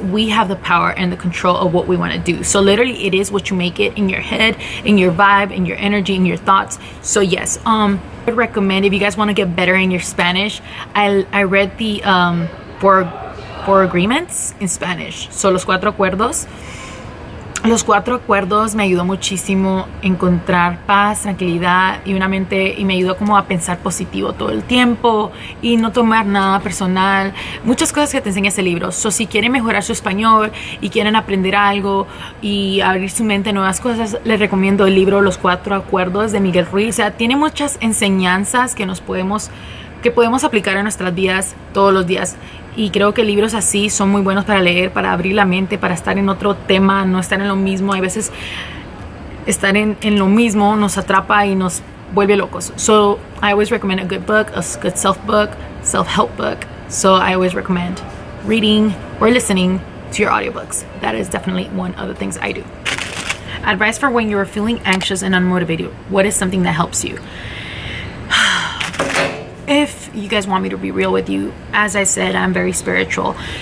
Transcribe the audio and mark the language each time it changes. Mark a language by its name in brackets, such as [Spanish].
[English] We have the power and the control of what we want to do. So literally, it is what you make it in your head, in your vibe, in your energy, in your thoughts. So yes, I would recommend, if you guys want to get better in your Spanish, I read the four agreements in Spanish. [Spanish] So los cuatro acuerdos. Los cuatro acuerdos me ayudó muchísimo encontrar paz, tranquilidad y una mente, y me ayudó como a pensar positivo todo el tiempo y no tomar nada personal. Muchas cosas que te enseña ese libro. So, si quieren mejorar su español y quieren aprender algo y abrir su mente a nuevas cosas, les recomiendo el libro Los Cuatro Acuerdos de Miguel Ruiz. O sea, tiene muchas enseñanzas que podemos aplicar a nuestras vidas todos los días. Y creo que libros así son muy buenos para leer, para abrir la mente, para estar en otro tema, no estar en lo mismo. Hay veces estar en lo mismo nos atrapa y nos vuelve locos. [English] So I always recommend a good book, a good self-help book. So I always recommend reading or listening to your audiobooks. That is definitely one of the things I do. Advice for when you are feeling anxious and unmotivated. What is something that helps you? If you guys want me to be real with you, as I said, I'm very spiritual.